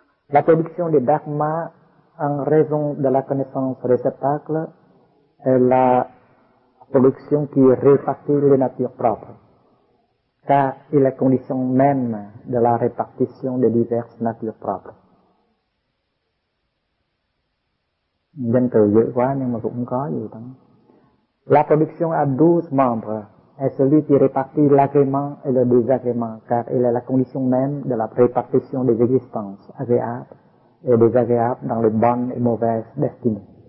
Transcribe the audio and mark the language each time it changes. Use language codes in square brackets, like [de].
[fr] La production des dharmas en raison de la connaissance réceptacle est la production qui répartit les natures propres, car il est condition même de la répartition des diverses natures propres. [vi] Danh từ dễ quá nhưng mà cũng có gì đó. [fr] La production à 12 membres est celui qui répartit l'agrément et le désagrément, car il est la condition même de la répartition des existences agréables et désagréables dans les bonnes et mauvaises destinées.